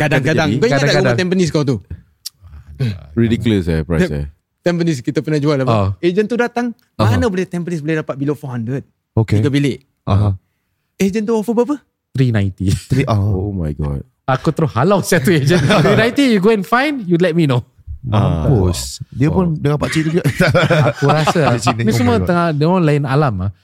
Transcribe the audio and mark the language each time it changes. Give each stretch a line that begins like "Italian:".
Malay: Kadang-kadang. Kau ingat tak rumah Tampines kau tu?
English: Ridiculous eh price eh.
Malay: Tampines kita pernah jual apa? Agent tu datang. Mana boleh Tampines boleh dapat below 400? Okay. 3 bilik. Agent tu offer berapa? 390.
English: Oh my god.
Malay: Aku terus halau satu agent.
English: 390, you go and find, you let me know.
Malay: Mampus. Dia pun dengan pakcik tu juga. Aku rasa ni semua tengah dia orang lain alam.